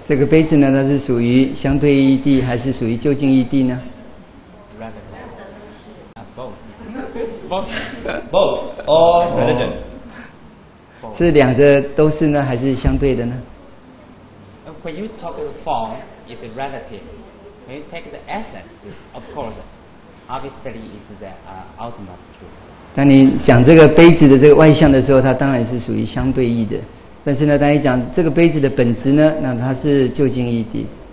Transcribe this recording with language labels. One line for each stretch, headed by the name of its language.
Chinese: 这个杯子呢，它是属于相对义谛还是属于究竟义谛呢？
English: Both. Both or relative.
Chinese: 是两者都是呢，还是相对的呢？
English: When you talk the form, it's relative. When you take the essence, of course, obviously it's the ultimate truth.
Chinese: 当你讲这个杯子的这个外相的时候，它当然是属于相对义的。但是呢，当你讲这个杯子的本质呢，那它是究竟义谛。